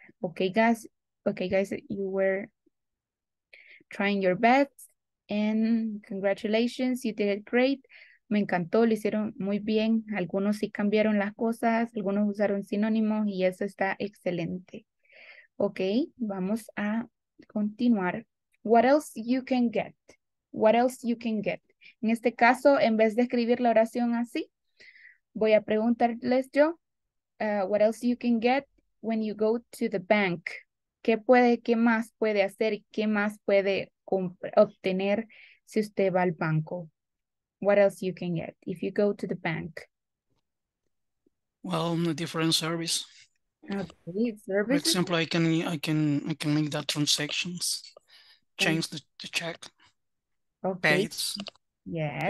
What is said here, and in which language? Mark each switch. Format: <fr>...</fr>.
<en>Okay, guys, you were trying your best, and congratulations, you did it great.</en> <es>Me encantó, lo hicieron muy bien. Algunos sí cambiaron las cosas, algunos usaron sinónimos y eso está excelente. Ok, vamos a continuar.</es> <en>What else you can get? What else you can get?</en> <es>En este caso, en vez de escribir la oración así, voy a preguntarles yo,</es> <en>what else you can get when you go to the bank?</en> <es>¿Qué puede, qué más puede hacer y qué más puede obtener si usted va al banco?</es> <en>What else you can get if you go to the bank? Well, a different service. Okay, service. For example, I can make that transactions, change the check, okay. Pay. Yeah.</en>